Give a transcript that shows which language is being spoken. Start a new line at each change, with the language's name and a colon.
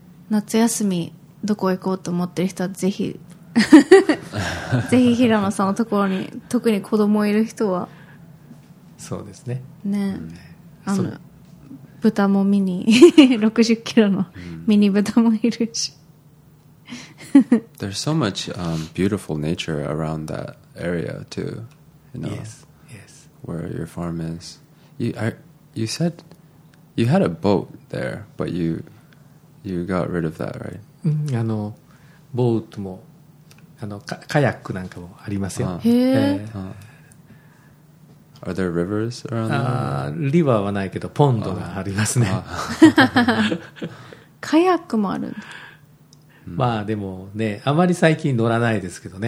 Japanese: 夏休みどこ行こうと思ってる人はぜひぜひ平野さんのところに、特に子供いる人は。そうですね。ね、豚もミニ60キロのミニ豚もいるし。
English: There's so much beautiful nature around that area too. You know, yes. Where your farm is, you said you had a boat there, but you got rid of that, right?
Japanese: ボートもカヤックなんかもありますよ。へえ。
English: Are there rivers around there?
Japanese: リバーはないけどポンドがありますね。カヤックもあるんだ。まあでもね、あまり最近乗らないですけどね。